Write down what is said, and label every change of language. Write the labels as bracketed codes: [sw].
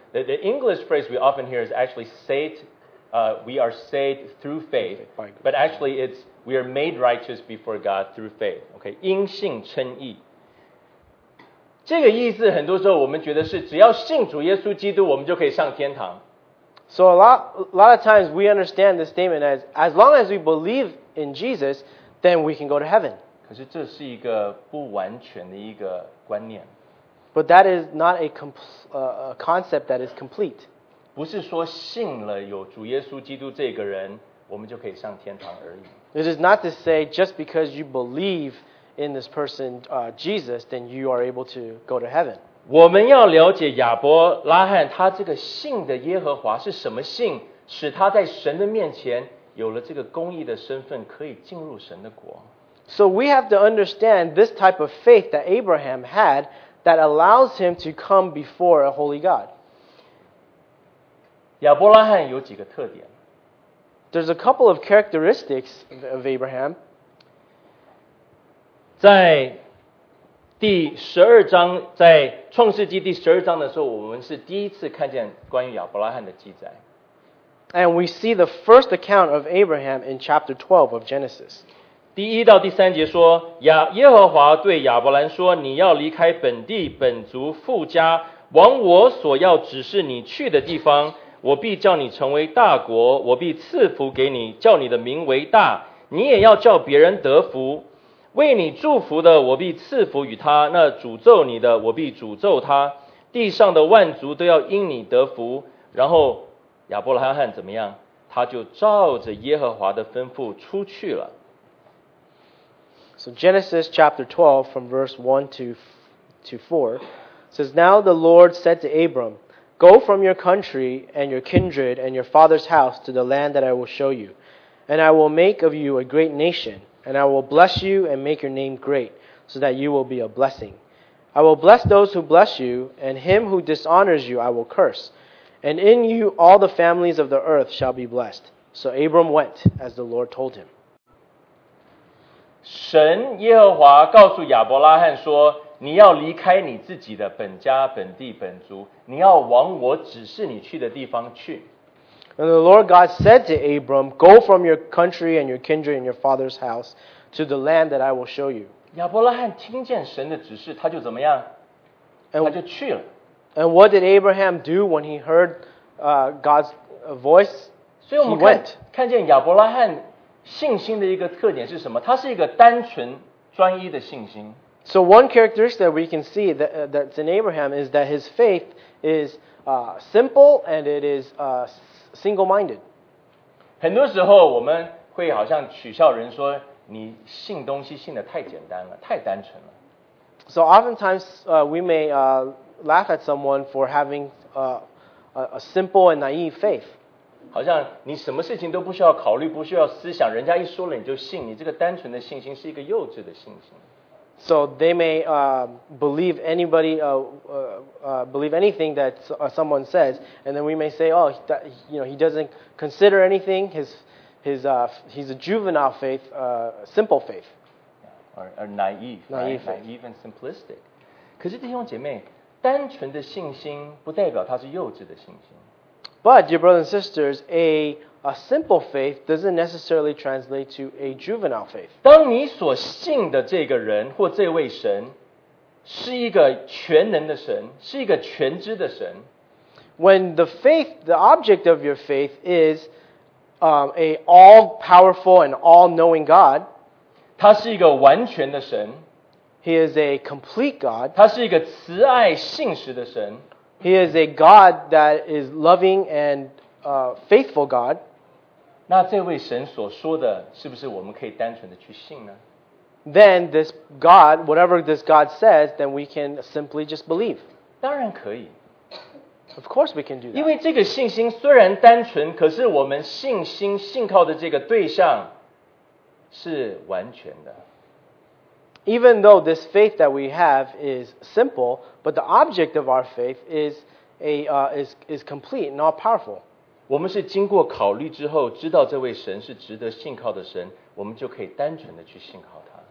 [en] The English phrase we often hear is actually saved. We are saved through faith. But actually it's we are made righteous before God through faith. [zh] Okay. 因信称义。这个意思很多时候我们觉得是只要信主耶稣基督我们就可以上天堂。 [en] So a lot of times we understand this statement as long as we believe in Jesus, then we can go to heaven. [zh] 可是这是一个不完全的一个观念。 [en] But that is not a concept that is complete. [zh] 不是说信了有主耶稣基督这个人，我们就可以上天堂而已。 [en] It is not to say just because you believe in this person, Jesus, then you are able to go to heaven. [zh] 我们要了解亚伯拉罕他这个信的耶和华是什么信，使他在神的面前有了这个公义的身份，可以进入神的国。 [en] So we have to understand this type of faith that Abraham had that allows him to come before a holy God. [zh] 亚伯拉罕有几个特点。 [en] There's a couple of characteristics of Abraham. [zh] 在第十二章在创世纪第十二章的时候，我们是第一次看见关于亚伯拉罕的记载。 [en] And we see the first account of Abraham in chapter 12 of Genesis. [zh] 第一到第三节说，耶和华对亚伯兰说，你要离开本地、本族、父家，往我所要指示你去的地方，我必叫你成为大国，我必赐福给你，叫你的名为大，你也要叫别人得福。为你祝福的，我必赐福与他；那诅咒你的，我必诅咒他。地上的万族都要因你得福。然后亚伯拉罕怎么样？他就照着耶和华的吩咐出去了。 [en] So Genesis chapter 12 from verse 1 to 4 says, Now the Lord said to Abram, Go from your country and your kindred and your father's house to the land that I will show you, and I will make of you a great nation. And I will bless you and make your name great, so that you will be a blessing. I will bless those who bless you, and him who dishonors you I will curse. And in you all the families of the earth shall be blessed. So Abram went, as the Lord told him. [zh] 神耶和华告诉亚伯拉罕说，你要离开你自己的本家、本地、本族，你要往我指示你去的地方去。 [en] And the Lord God said to Abram, Go from your country and your kindred and your father's house to the land that I will show you. [zh] 亚伯拉罕听见神的指示，他就怎么样？他就去了。 [en] And what did Abraham do when he heard God's voice? [zh] 所以我们 看见亚伯拉罕信心的一个特点是什么？他是一个单纯专一的信心。 [en] So one characteristic that we can see that's in Abraham is that his faith is simple and it is single-minded. [zh] 很多时候我们会好像取笑人说你信东西信得太简单了，太单纯了。 [en] So oftentimes we may laugh at someone for having a simple and naive faith. [zh] 好像你什么事情都不需要考虑，不需要思想，人家一说了你就信，你这个单纯的信心是一个幼稚的信心。 [en] So they may believe anybody, believe anything that someone says, and then we may say, oh, that, you know, he doesn't consider anything. He's a juvenile faith, simple faith. Or naive and simplistic. [zh] 可是弟兄姐妹，单纯的信心不代表它是幼稚的信心。 [en] But, dear brothers and sisters, a simple faith doesn't necessarily translate to a juvenile faith. [zh] 当你所信的这个人或这位神是一个全能的神，是一个全知的神。 [en] When the faith, the object of your faith is a all-powerful and all-knowing God. [zh] 他是一个完全的神。 [en] He is a complete God. [zh] 他是一个慈爱信实的神。 [en] He is a God that is loving and faithful God. [zh] 那这位神所说的是不是我们可以单纯的去信呢？ [en] Then this God, whatever this God says, then we can simply just believe. [zh] 当然可以。 [en] Of course we can do that. [zh] 因为这个信心虽然单纯，可是我们信心信靠的这个对象是完全的。 [en] Even though this faith that we have is simple, but the object of our faith is complete and all-powerful. [zh] 我们是经过考虑之后知道这位神是值得信靠的神，我们就可以单纯的去信靠他。